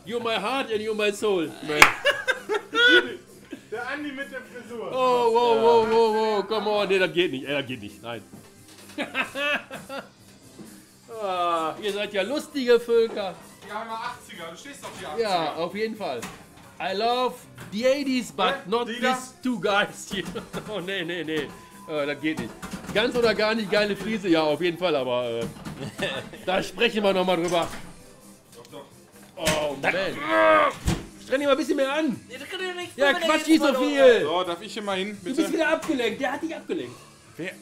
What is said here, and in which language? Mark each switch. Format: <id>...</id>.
<en>You're my heart and you're my soul.</en> <de>Der Andi mit der Frisur.</de> <en>Oh, wow, come on.</en> <de>Nee, das geht nicht, nein. Ah, ihr seid ja lustige Völker. Die haben 80er, du stehst auf die 80er. Ja, auf jeden Fall.</de> <en>I love the 80s, but not these two guys here.</en> <de>Oh, nee. Das geht nicht. Ganz oder gar nicht geile Friese. Ja, auf jeden Fall, aber da sprechen wir nochmal drüber. Doch. Oh, man. Streng dich mal ein bisschen mehr an. Ja, das kann ich nicht. Ja, quatsch nicht so viel. So, darf ich hier mal hin, bitte? Du bist wieder abgelenkt. Der hat dich abgelenkt. Wer?</de>